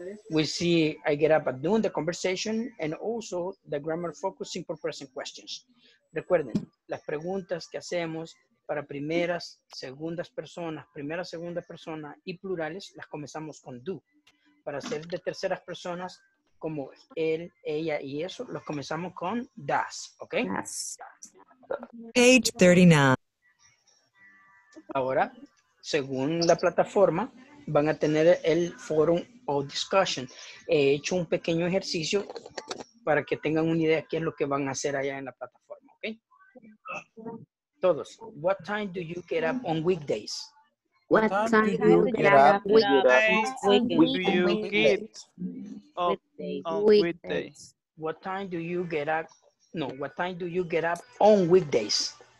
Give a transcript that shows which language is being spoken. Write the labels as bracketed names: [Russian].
[English] We see I get up at noon, the conversation, and also the grammar focus simple present questions. [Spanish] Recuerden, las preguntas que hacemos para primera, segunda persona y plurales, las comenzamos con do. Para ser de terceras personas, como él, ella y eso, los comenzamos con does, okay? [English] Yes. Page 39. [Spanish] Ahora, según la plataforma, van a tener el forum o discussion. He hecho un pequeño ejercicio para que tengan una idea de qué es lo que van a hacer allá en la plataforma, ¿ok? Todos. [English] What time do you get up on weekdays? What time do you get up? No, what time do you get up on weekdays?